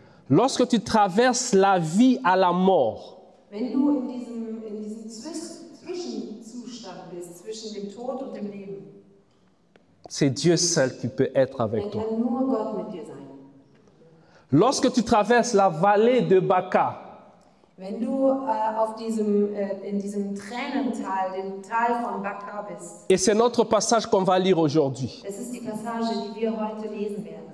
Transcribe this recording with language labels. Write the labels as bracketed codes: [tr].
[fr] Lorsque tu traverses la vie à la mort, [de] wenn du in diesem, Zwischenzustand bist, zwischen dem Tod und dem Leben, [fr] c'est Dieu seul qui peut être avec toi. [de] Kann nur Gott mit dir sein. [fr] Lorsque tu traverses la vallée de Baca, [de] wenn du auf diesem, in diesem Tränental, dem Tal von Baca bist, [fr] et c'est notre passage qu'on va lire aujourd'hui, [de] es ist die Passage, die wir heute lesen werden.